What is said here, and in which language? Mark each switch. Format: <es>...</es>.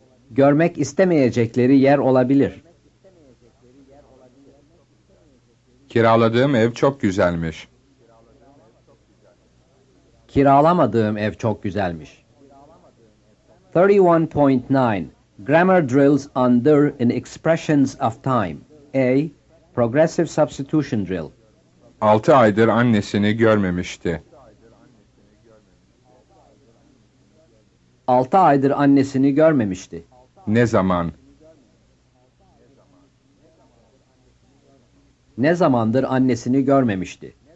<tr>Görmek istemeyecekleri yer olabilir. Kiraladığım ev çok güzelmiş. Kiralamadığım ev çok güzelmiş.</tr> <en>31.9 Grammar drills under in expressions of time. A. Progressive substitution drill.</en> <tr>6 aydır annesini görmemişti. 6 aydır annesini görmemişti. Ne zaman? Ne zamandır annesini görmemişti?</tr>